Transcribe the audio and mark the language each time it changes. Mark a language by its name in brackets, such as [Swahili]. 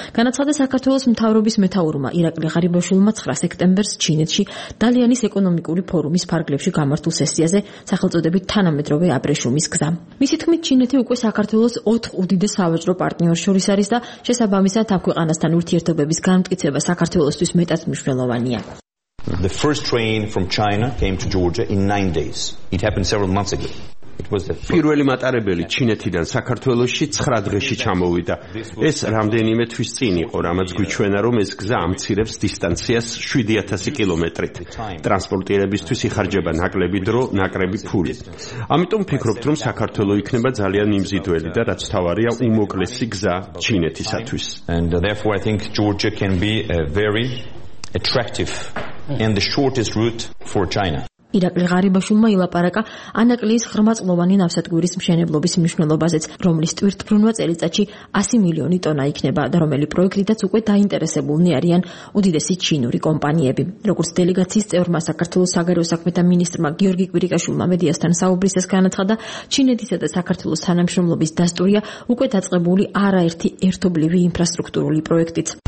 [Georgian] განაცხადა საქართველოს მთავრობის მეთაურმა ირაკლი ღარიბაშვილმა 9 სექტემბერს ჩინეთში დალიანის ეკონომიკური ფორუმის ფარგლებში გამართულ სესიაზე სახელწოდებით თანამედროვე აბრეშუმის გზა. მისი თქმით, ჩინეთი უკვე საქართველოს 4 უდიდეს სავაჭრო პარტნიორს შორის არის და შესაბამისად ამ ქვეყანასთან ურთიერთობების განმტკიცება საქართველოსთვის მეტად მნიშვნელოვანია. [English] The first train from China came to Georgia in 9 days. It happened several months ago. [Georgian] პირველი მატარებელი ჩინეთიდან საქართველოში 9 დღეში ჩამოვიდა. ეს რამდენიმე თვის წინ იყო, რამაც გვიჩვენა, რომ ეს გზა ამცირებს დისტანციას 7000 კილომეტრით. ტრანსპორტირებისთვის იხარჯება ნაკლები დრო, ნაკლები ფული. ამიტომ ვფიქრობთ, რომ საქართველო იქნება ძალიან მიმზიდველი და რაც თავარია, უმოკლესი გზა ჩინეთისათვის. [English] And therefore I think Georgia can be very attractive and the shortest route for China. [Georgian] ირაკლი ღარიბაშვილმა ილაპარაკა ანაკლიის ღრმაწლოვანი ნავსადგურის მშენებლობის მნიშვნელობაზეც, რომლის ტვირთბრუნვა წელიწადში 100 მილიონი ტონა იქნება და რომელი პროექტიდაც უკვე დაინტერესებულნი არიან უდიდესი ჩინური კომპანიები. როგორც დელეგაციის წევრმა საქართველოს საგარეო საქმეთა მინისტრმა გიორგი კვირიკაშვილმა მედიასთან საუბრისას განაცხადა, ჩინეთისა და საქართველოს თანამშრომლობის დასტურია უკვე დაწყებული არაერთი ერთობლივი ინფრასტრუქტურული პროექტიც.